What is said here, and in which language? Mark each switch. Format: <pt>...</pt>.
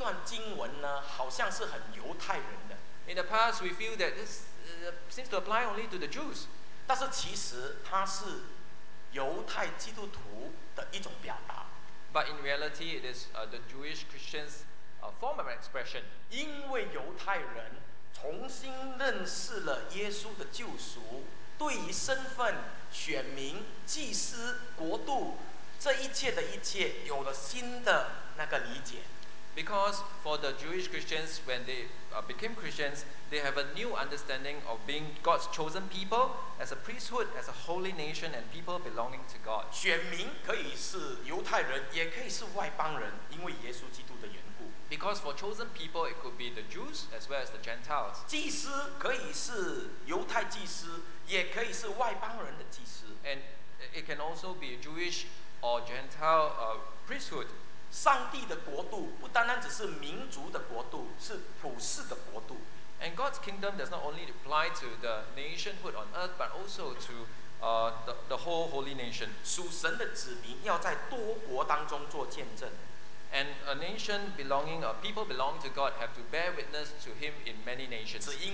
<zh>以往我们往往觉得这段经文呢好像是很犹太人的。</zh> <en>In the past, we feel that this seems to apply only to the Jews.</en> <zh>但是其实它是犹太基督徒的一种表达。</zh> <en>But in reality, it is the Jewish Christians' form of expression.</en> <zh>因为犹太人重新认识了耶稣的救赎，对于身份、选民、祭司、国度这一切的一切有了新的那个理解。</zh> <en>Because for the Jewish Christians, when they became Christians, they have a new understanding of being God's chosen people as a priesthood, as a holy nation, and people belonging to God.</en> <zh>选民可以是犹太人，也可以是外邦人，因为耶稣基督的缘故。</zh> <en>Because for chosen people, it could be the Jews as well as the Gentiles.</en> <zh>祭司可以是犹太祭司，也可以是外邦人的祭司。</zh> <en>And it can also be Jewish or Gentile priesthood.</en> <zh>上帝的国度不单单只是民族的国度，是普世的国度。</zh> <en>And God's kingdom does not only apply to the nationhood on earth, but also to the whole holy nation.</en> <zh>属神的子民要在多国当中做见证。</zh> <en>And a nation belonging, a people belonging to God have to bear witness to him in many nations.</en>